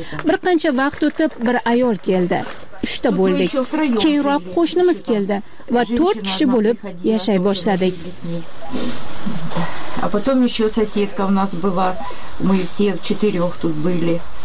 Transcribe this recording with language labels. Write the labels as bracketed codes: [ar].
[uz] Bir qancha vaqt o'tib bir ayol keldi. 3 bo'ldik. Keyinroq qo'shnimiz keldi va 4 kishi bo'lib yashay boshladik. [ru] А потом ещё соседка у нас была. Мы все в четырёх тут были.